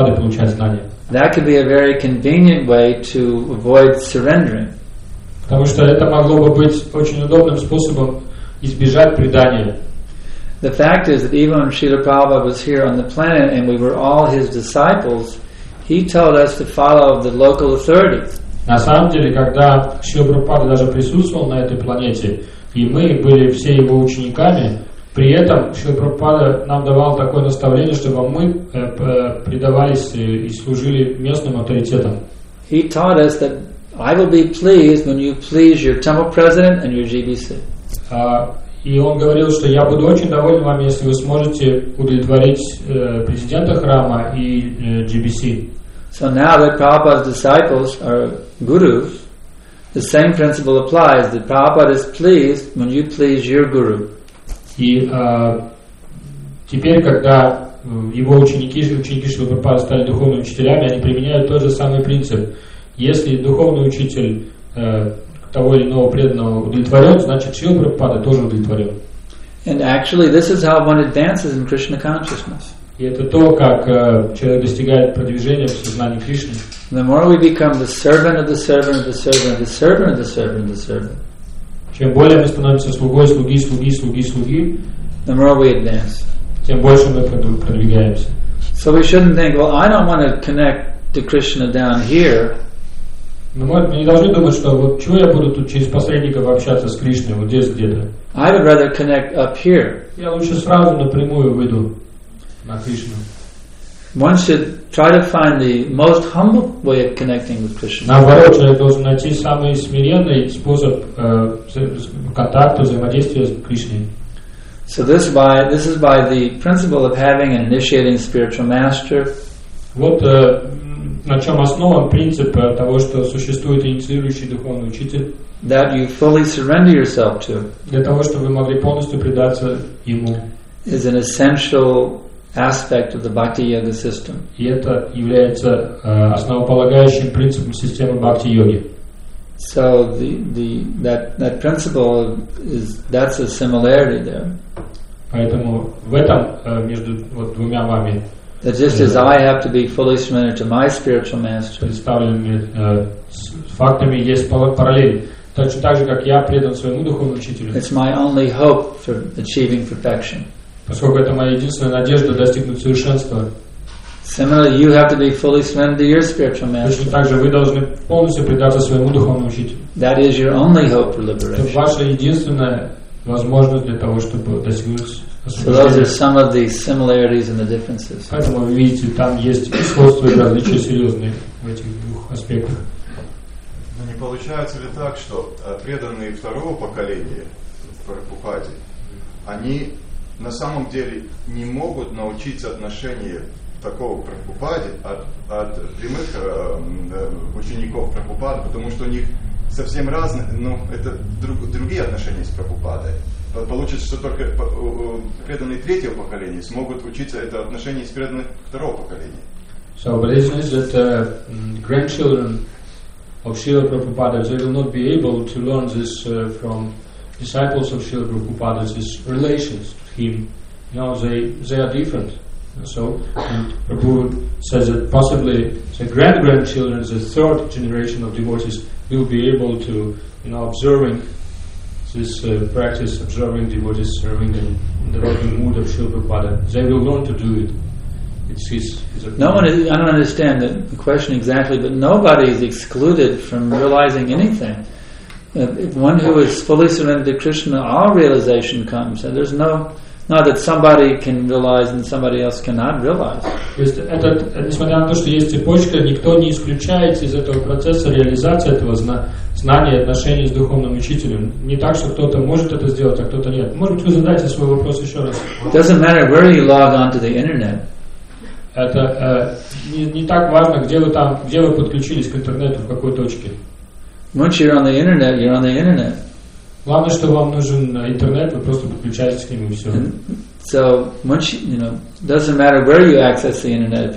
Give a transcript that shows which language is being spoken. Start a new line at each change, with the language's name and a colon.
English: That could be a very convenient way to avoid surrendering.
Russian: Потому что это могло бы быть очень удобным способом избежать предания.
English: The fact is that even when Srila Prabhupada was here on the planet and we were all his disciples, he told us to follow the local authority.
Russian: На самом деле, когда Шрила Прабхупада даже присутствовал на этой планете, и мы были все его учениками, при этом Шрила Прабхупада нам давал такое наставление, чтобы мы предавались и служили местным авторитетам.
English: He taught us that I will be pleased when you please your temple president and your GBC.
Russian: И он говорил, что я буду очень доволен вам, если вы сможете удовлетворить президента храма и GBC.
English: So now that Prabhupada's disciples are gurus, the same principle applies. That Prabhupada is pleased when you please your guru.
Russian: И теперь, когда его ученики Шрилы Прабхупады стали духовными учителями, они применяют тот же самый принцип. Если духовный учитель того или иного преданного удовлетворен, значит Шрила Прабхупада тоже удовлетворен.
English: And actually, this is how one advances in Krishna consciousness.
Russian: И это то, как человек достигает продвижения в сознании Кришны.
English: The more we become the servant of the servant of the servant of the servant of the servant of the servant.
Russian: Чем более мы становимся слугой, слуги, слуги, слуги, слуги,
English: the more we advance.
Russian: Тем больше мы продвигаемся.
English: So we shouldn't think, well, I don't want to connect to Krishna down here.
Russian: Мы не должны думать, что вот чего я буду тут через посредников общаться с Кришной, вот здесь где-то.
English: I would rather connect up here.
Russian: Я лучше сразу напрямую выйду на Кришну.
English: One should try to find the most humble way of connecting with Krishna.
Russian: Наоборот, человек должен найти самый смиренный способ контакта, взаимодействия с Кришной.
English: So this is by the principle of having an initiating spiritual master.
Russian: Вот на чем основан принцип того, что существует инициирующий духовный учитель.
English: That you fully surrender yourself to.
Russian: Для того, чтобы вы могли полностью предаться ему.
English: Is an essential aspect of the Bhakti Yoga system.
Russian: И это является основополагающим принципом системы Бхакти Йоги.
English: So that principle is that's a similarity there.
Russian: Поэтому в этом между вот двумя вами.
English: That just as I have to be fully surrendered to my spiritual master.
Russian: Представленными фактами есть параллель. Точно так же, как я предан своему духовному учителю.
English: It's my only hope for achieving perfection.
Russian: Поскольку это моя единственная надежда достигнуть совершенства.
English: Similarly, you have to be fully surrendered to your spiritual master.
Russian: Точно так же, вы должны полностью предаться своему духовному учителю.
English: That is your only hope for liberation.
Russian: Это ваша единственная возможность для того, чтобы достигнуть.
English: So those are some of the similarities and the differences.
Russian: Поэтому вы видите, там есть сходства и различия серьезные в этих двух аспектах. Но не получается ли так, что преданные второго поколения Прабхупаде, они на самом деле не могут научить отношения такого Прабхупаде от прямых учеников Прабхупады, потому что у них совсем разные, ну это другие отношения с Прабхупадой. Получится, что только преданные третьего поколения смогут учиться это отношение с преданных второго поколения.
English: So, but isn't it that grandchildren of Srila Prabhupada, they will not be able to learn this from disciples of Srila Prabhupada, these relations to him. You know, they are different. So, and Prabhu says that possibly the grand-grandchildren, the third generation of devotees, will be able to, you know, observing this practice, observing devotees serving in the devotee mood of Śrīla Prabhupāda, they will learn to do it. I don't understand the question exactly, but nobody is excluded from realizing anything. One who is fully surrendered to Krishna, all realization comes. And there's not that somebody can realize and somebody else cannot realize.
Russian: Несмотря на то, что есть цепочка, никто не исключается из этого процесса реализации этого знания, отношений с духовным учителем. Не так, что кто-то может это сделать, а кто-то нет. Может, вы задайте свой вопрос еще раз.
English: It doesn't matter where you log on to the internet.
Russian: Это не так важно, где вы подключились к интернету, в какой точке.
English: Once you're on the internet, you're on the internet.
Russian: Главное, что вам нужен интернет, вы просто подключаетесь к нему и все.
English: So, once you know, doesn't matter where you access the internet.